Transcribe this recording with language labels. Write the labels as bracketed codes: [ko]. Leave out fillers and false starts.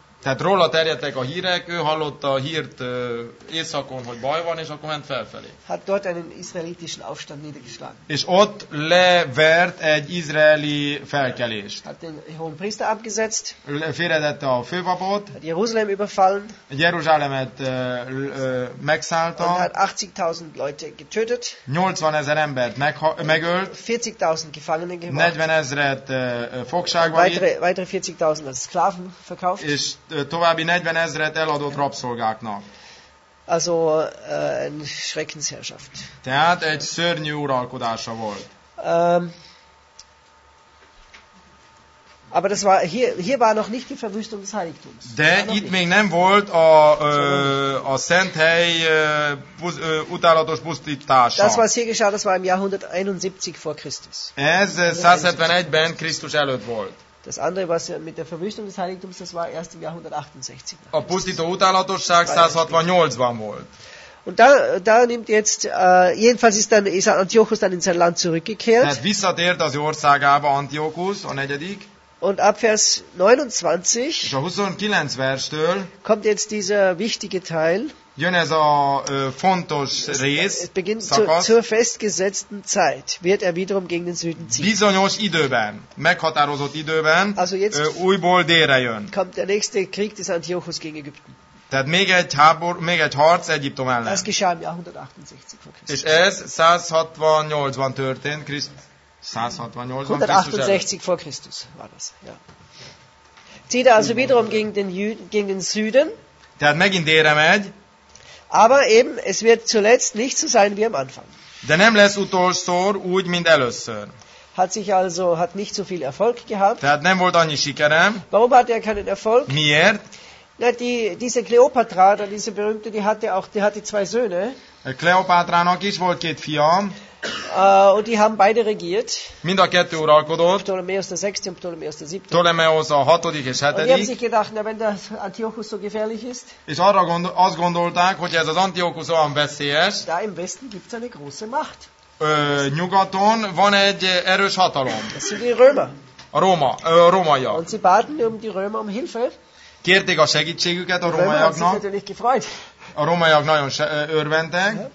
[hu] Tehát róla terjedtek a hírek, ő hallotta a hírt északon, hogy baj van, és akkor ment felfelé. [de] Hat dort einen israelitischen Aufstand niedergeschlagen. [hu] És ott levert egy izraeli felkelést. [de] Hat den hohen Priester abgesetzt. [hu] Félredette a főpapot. [de] Hat Jeruzsálem überfallen. [hu] Jeruzsálemet megszállta. [de] Und hat 80.000 Leute getötet. [hu] 80 ezer embert megölt. [de] 40.000 gefangene gemacht. [hu] 40 ezeret fogságba vitt. [de] Weitere 40.000 als Sklaven verkauft. [hu] És további 40 ezret eladott rabszolgáknak. [de] Also eine Schreckensherrschaft. [hu] Tehát egy szörnyű uralkodása volt. [de] Aber das war hier war noch nicht die Verwüstung des Heiligtums. [hu] De itt még nem volt a szent hely utálatos pusztítása. [de] Das was hier geschah, das war im Jahr 171 vor Christus. [hu] Ez 171-ben Krisztus előtt volt. [de] Das andere, was mit der Verwüstung des Heiligtums, das war erst im Jahr 168. [hu] A pusztító utálatosság 168-ban volt. [de] Und da nimmt jetzt, jedenfalls ist Antiochus dann in sein Land zurückgekehrt. [hu] Tehát visszatért az országába Antiochus, a negyedik. [de] Und ab Vers 29, [hu] és a 29 verstől, [de] kommt jetzt dieser wichtige Teil. [hu] Jön ez a fontos rész, [de] es beginnt szakasz, zur festgesetzten Zeit, wird er wiederum gegen den Süden ziehen. [hu] Bizonyos időben, meghatározott időben, [de] also jetzt [hu] újból délre jön. [de] Kommt der nächste Krieg des Antiochus gegen Ägypten. [hu] Tehát még egy harc Egyiptom ellen. [de] Das geschah im Jahr 168 vor Christus. [hu] És ez 168-ban történt, 168 [de] vor Christus war das, ja. Zieht er also wiederum gegen den Süden. [hu] Tehát megint délre megy. [de] Aber eben, es wird zuletzt nicht so sein wie am Anfang. [hu] De nem lesz utolszor, úgy, mint először. [de] Hat sich also, hat nicht so viel Erfolg gehabt. [hu] Tehát nem volt annyi sikerem. [de] Warum hatte er keinen Erfolg? [hu] Miért? [de] Na, diese Kleopatra, diese berühmte, die hatte zwei Söhne. [hu] Kleopatrának is volt két fia. [de] Und die haben beide regiert. [hu] Mind a kettő uralkodott. [de] Ptolemäus der sechste und Ptolemäus der siebte. [hu] Ptolemäus a hatodik és hetedik. [de] Und die haben sich gedacht, na, wenn der Antiochus so gefährlich ist. [hu] És arra azt gondolták, hogy ez az Antiochus olyan veszélyes. [de] Da im Westen gibt's eine große Macht. [hu] Nyugaton van egy erős hatalom. [de] Das sind die Römer. [hu] A rómaiak. [de] Und sie baten um die Römer um Hilfe. [hu] Kérték a segítségüket a rómaiaknak. A rómaiak nagyon örventek.